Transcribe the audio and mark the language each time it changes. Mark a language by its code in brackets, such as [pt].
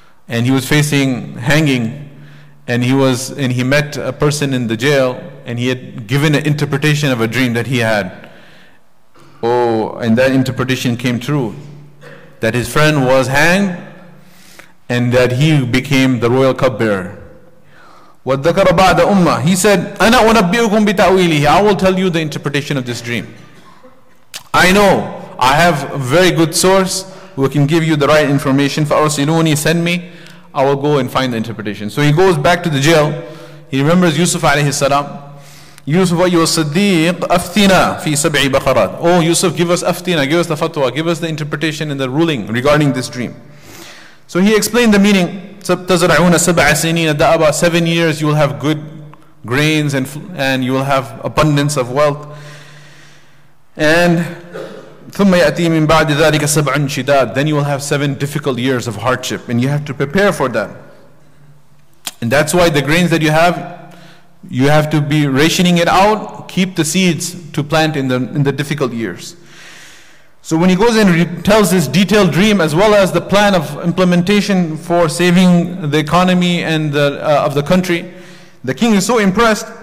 [en] And he was facing hanging, and he met a person in the jail, and he had given an interpretation of a dream that he had. Oh, and that interpretation came true, that his friend was hanged, and that he became the royal cupbearer. [ar] وَذَكَرَ بَعْدَ أُمَّةٍ. [en] He said, [ar] أَنَا وَنَبِّئُكُمْ بِتَأْوِيلِهِ. [en] I will tell you the interpretation of this dream. I know, I have a very good source who can give you the right information. [ar] فَأَرْسِلُونِي. [en] Send me, I will go and find the interpretation. So he goes back to the jail. He remembers Yusuf alayhi salam. [ar] Yusuf, wa yusaddiq, aftina fi sab'i baqarat. [en] Oh Yusuf, give us aftina, give us the fatwa, give us the interpretation and the ruling regarding this dream. So he explained the meaning. [ar] Tazra'una sab'a sinina da'aba. [en] 7 years you will have good grains and you will have abundance of wealth. [ar] And ثُمَّ يَأْتِي مِنْ بَعْدِ ذَلِكَ سَبْعٌ شِدَادٌ. [en] Then you will have 7 difficult years of hardship, and you have to prepare for that. And that's why the grains that you have, You have to be rationing it out, keep the seeds to plant in the difficult years. So when he goes and tells his detailed dream as well as the plan of implementation for saving the economy and of the country, the king is so impressed.